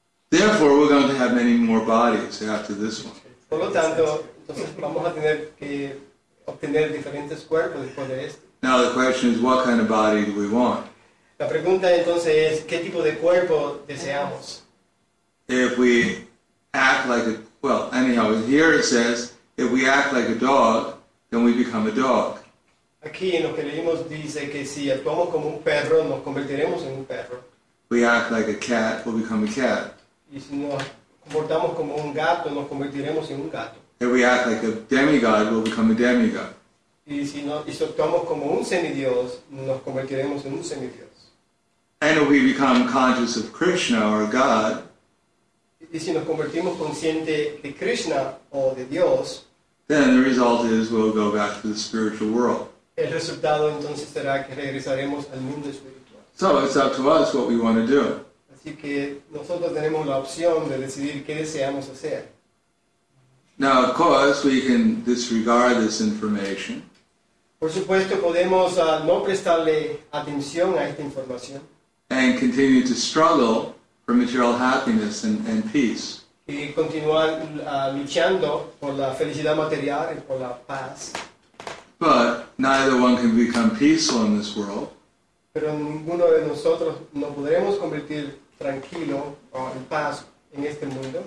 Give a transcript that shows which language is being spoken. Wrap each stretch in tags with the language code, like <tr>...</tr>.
<en>Therefore, we're going to have many more bodies after this one.</en> <es>Por lo tanto, entonces vamos a tener que obtener diferentes cuerpos después de esto.</es> <en>Now the question is, what kind of body do we want?</en> <es>La pregunta entonces es, ¿qué tipo de cuerpo deseamos?</es> <en>If we act like a, well, anyhow, here it says, if we act like a dog, then we become a dog.</en> <es>Aquí en lo que leímos dice que si actuamos como un perro, nos convertiremos en un perro.</es> <en>We act like a cat, we'll become a cat.</en> <es>Y si nos comportamos como un gato, nos convertiremos en un gato.</es> <en>If we act like a demigod, we'll become a demigod.</en> <es>Y si nos actuamos como un semidios, nos convertiremos en un semidios.</es> <en>And if we become conscious of Krishna or God,</en> <es>y si nos convertimos consciente de Krishna o de Dios,</es> <en>then the result is we'll go back to the spiritual world.</en> <es>El resultado entonces será que regresaremos al mundo espiritual.</es> <en>So it's up to us what we want to do.</en> <es>Así que nosotros tenemos la opción de decidir qué deseamos hacer.</es> <en>Now, of course, we can disregard this information.</en> <es>Por supuesto, podemos no prestarle atención a esta información.</es> <en>And continue to struggle for material happiness and peace.</en> <es>Y continuar luchando por la felicidad material y por la paz.</es> <en>But neither one can become peaceful in this world.</en> <es>Pero ninguno de nosotros no podremos convertir tranquilo o en paz en este mundo.</es>